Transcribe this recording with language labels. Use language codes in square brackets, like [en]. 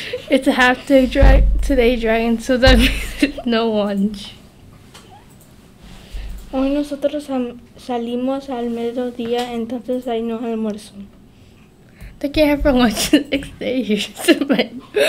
[en] It's a half day today, Dragon, so that means no lunch. [es] Hoy nosotros salimos al mediodía, entonces hay no almuerzo. [en] They can't have for lunch the next day.